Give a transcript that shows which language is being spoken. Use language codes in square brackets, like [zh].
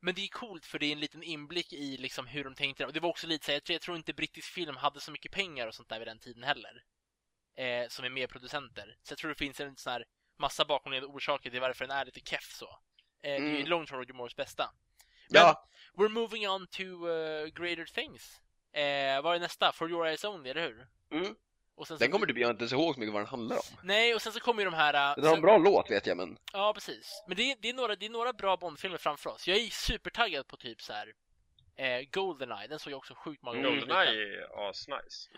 [sv] Men det är coolt, för det är en liten inblick i liksom hur de tänkte. Och det var också lite så här, jag tror inte brittisk film hade så mycket pengar och sånt där vid den tiden heller. Som är mer producenter. Så jag tror det finns en sån här massa bakomliggande orsaker till varför den är lite keff så. Det är långt från Roger Moores bästa. Men ja, [en] we're moving on to greater things. [sv] Vad är nästa? For Your Eyes Only, eller hur? Mm. Och sen så den kommer du inte ens ihåg så mycket vad den handlar om. Nej, och sen så kommer ju de här det är en bra låt, vet jag, men ja, precis. Men det är några bra Bond-filmer framför oss. Jag är supertaggad på typ så här GoldenEye, den såg jag också sjukt många gånger. GoldenEye är asnice.